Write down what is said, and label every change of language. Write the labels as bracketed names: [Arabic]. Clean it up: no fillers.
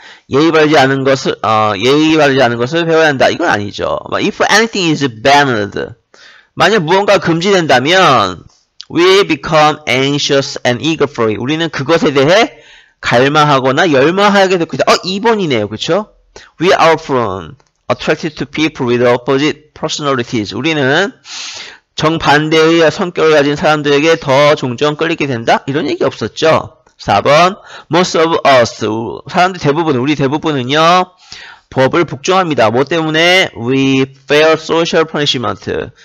[Korean] 예의 바르지 않은 것을 배워야 한다. 이건 아니죠. [English] If anything is banned, [Korean] 만약 무언가 금지된다면, [English] we become anxious and eager for it. [Korean] 우리는 그것에 대해 갈망하거나 열망하게 될 것이다. 2번이네요. 그쵸? [English] We are often attracted to people with opposite personalities. [Korean] 우리는 정반대의 성격을 가진 사람들에게 더 종종 끌리게 된다? 이런 얘기 없었죠. 4번, [English] most of us, [Korean] 사람들 대부분, 우리 대부분은요, 법을 복종합니다. 뭐 때문에? [English] We fear social punishment.